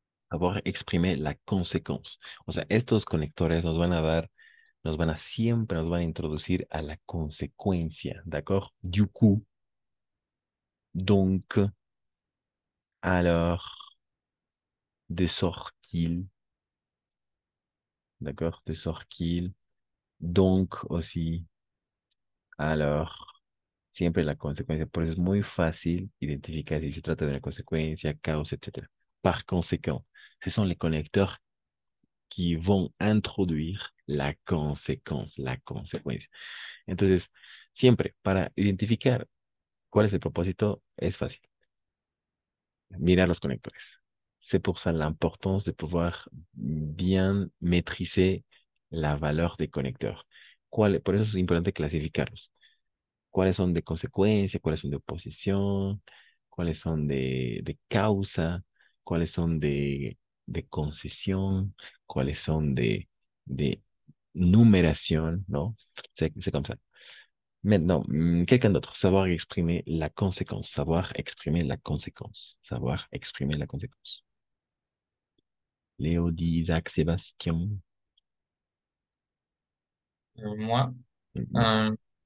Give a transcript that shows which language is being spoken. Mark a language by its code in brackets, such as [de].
[fr] Avoir exprimé la conséquence. [es] O sea, estos conectores nos van a dar, nos van a siempre, nos van a introducir a la consecuencia, ¿d'accord? [fr] Du coup, donc, alors, de sorte qu'il, ¿d'accord? De sorte qu'il, donc aussi, alors, [es] siempre la consecuencia. Por eso es muy fácil identificar si se trata de la consecuencia, causa, etc. [fr] Par conséquent. Ce sont les connecteurs qui vont introduire la conséquence, la conséquence. [es] Entonces, siempre para identificar cuál es el propósito, es fácil. Mirar los conectores. [fr] C'est pour ça l'importance de pouvoir bien maîtriser la valeur des conecteurs. [es] Por eso es importante clasificarlos. ¿Cuáles son de consecuencia? ¿Cuáles son de oposición? ¿Cuáles son de causa? ¿Cuáles son de concesión, cuáles son de numeración, ¿no? [fr] C'est comme ça. Maintenant, quelqu'un d'autre, savoir exprimer la conséquence, savoir exprimer la conséquence, savoir exprimer la conséquence. Léo, dit Isaac, Sébastien. Moi, Merci.